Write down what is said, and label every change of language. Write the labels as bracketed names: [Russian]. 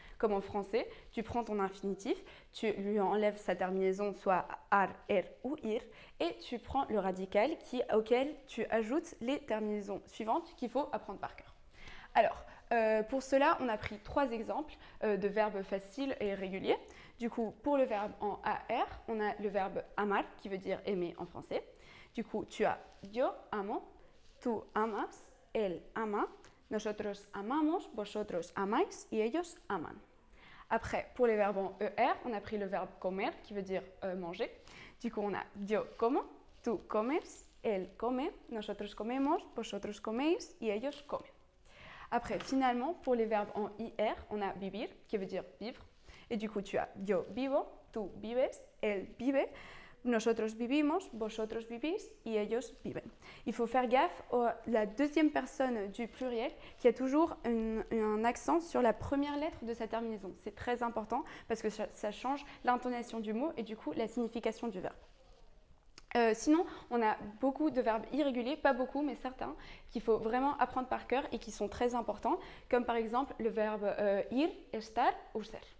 [French] Comme en français, tu prends ton infinitif, tu lui enlèves sa terminaison, soit AR, ER ou IR, et tu prends le radical auquel tu ajoutes les terminaisons suivantes qu'il faut apprendre par cœur. Alors, pour cela, on a pris trois exemples de verbes faciles et réguliers. Du coup, pour le verbe en AR, on a le verbe amar, qui veut dire aimer en français. Du coup, tu as [Spanish] yo amo, tu amas, él ama, nosotros amamos, vosotros amáis y ellos aman. [French] Après, pour les verbes en ER, on a pris le verbe comer, qui veut dire manger. Du coup, on a [Spanish] yo como, tu comes, él come, nosotros comemos, vosotros coméis y ellos comen. [French] Après, finalement, pour les verbes en IR, on a vivir, qui veut dire vivre. Et du coup, tu as [Spanish] yo vivo, tu vives, él vive, nosotros vivimos, vosotros vivís y ellos viven. [French] Il faut faire gaffe à la deuxième personne du pluriel qui a toujours un accent sur la première lettre de sa terminaison. C'est très important parce que ça change l'intonation du mot et du coup la signification du verbe. Sinon, on a beaucoup de verbes irréguliers, pas beaucoup, mais certains, qu'il faut vraiment apprendre par cœur et qui sont très importants, comme par exemple le verbe ir, estar ou ser.